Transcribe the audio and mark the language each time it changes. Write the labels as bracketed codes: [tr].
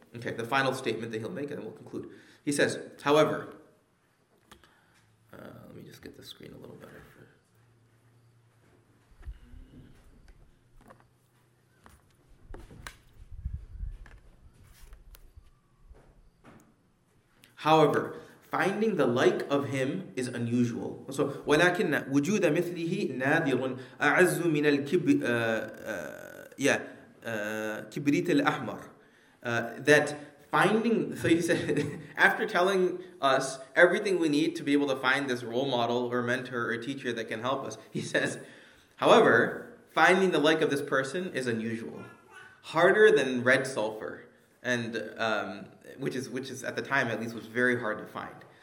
[en] Okay, the final statement that he'll make, and then we'll conclude. He says, however, let me just get the screen a little better. However, finding the like of him is unusual. [ar] So, ولكن وجود مثله نادر أعز من كبريت الأحمر. [en] That finding, so he said, after telling us everything we need to be able to find this role model or mentor or teacher that can help us, he says, however, finding the like of this person is unusual. Harder than red sulfur. And which is at the time at least was very hard to find.